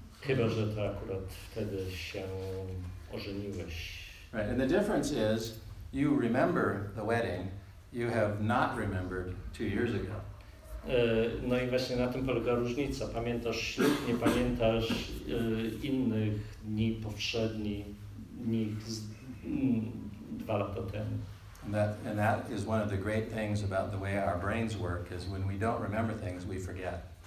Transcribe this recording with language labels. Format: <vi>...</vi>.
<pl>Chyba, że to akurat wtedy się ożeniłeś.</pl> <en>Right. And the difference is, you remember the wedding, you have not remembered 2 years ago.</en> <pl>No i właśnie na tym polega różnica. Pamiętasz ślub, nie pamiętasz innych dni poprzednich z 2 lata temu.</pl> <en>And that is one of the great things about the way our brains work, is when we don't remember things, we forget.</en>